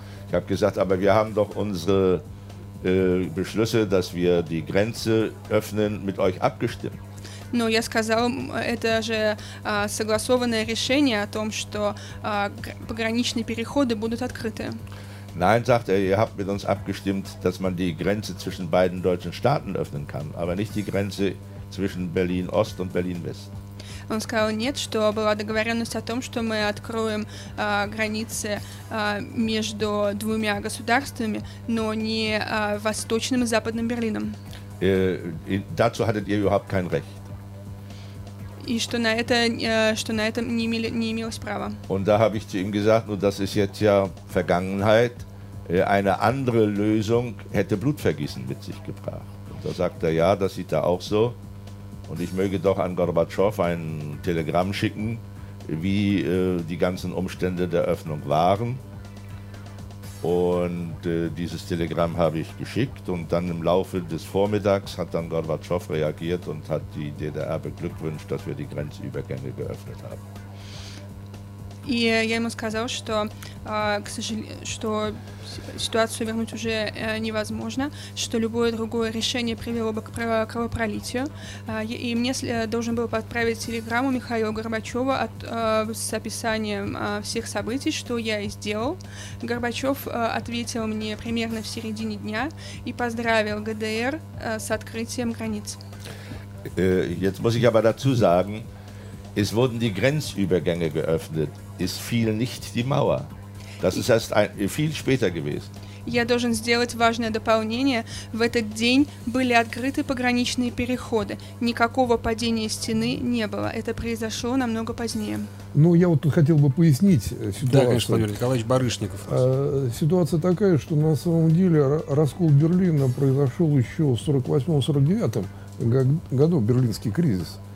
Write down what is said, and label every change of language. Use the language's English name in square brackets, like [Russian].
[Russian] Я сказал, но мы имеем только наши решения, что мы откроем границу, с вами согласованы. Но я сказал, это же согласованное решение о том, что пограничные переходы будут открыты. [German] Nein, sagt er, ihr habt mit uns abgestimmt, dass man die Grenze zwischen beiden deutschen Staaten öffnen kann, aber nicht die Grenze zwischen Berlin-Ost und Berlin-West. [Russian] Он сказал, нет, что была договоренность о том, что мы откроем границы между двумя государствами, но не восточным и западным Берлином. [German] Dazu hattet ihr überhaupt kein Recht. [Russian] И что на это, не имелось права. [German] Und da habe ich zu ihm gesagt, nun das ist jetzt ja Vergangenheit, eine andere Lösung hätte Blutvergießen mit sich gebracht. Und da sagt er, ja, das sieht er auch so. Und ich möge doch an Gorbatschow ein Telegramm schicken, wie die ganzen Umstände der Öffnung waren. Und dieses Telegramm habe ich geschickt und dann im Laufe des Vormittags hat dann Gorbatschow reagiert und hat die DDR beglückwünscht, dass wir die Grenzübergänge geöffnet haben. [Russian] И я ему сказал, что, к сожалению, что ситуацию вернуть уже невозможно, что любое другое решение привело бы к кровопролитию. И мне должен был отправить телеграмму Михаила Горбачева с описанием всех событий, что я и сделал. Горбачев ответил мне примерно в середине дня и поздравил ГДР с открытием границ. [German] Jetzt muss ich aber dazu sagen, es wurden die Grenzübergänge geöffnet. Ist viel nicht die Mauer. Das ist erst viel später gewesen. [Russian] Я должен сделать важное дополнение. В этот день были открыты пограничные переходы. Никакого падения стены не было. Это произошло намного позднее. Ну, я вот тут хотел бы пояснить ситуацию. Да, конечно, Владимир Николаевич Барышников. Ситуация такая, что на самом деле раскол Берлина произошел еще в 48-49 году, берлинский кризис.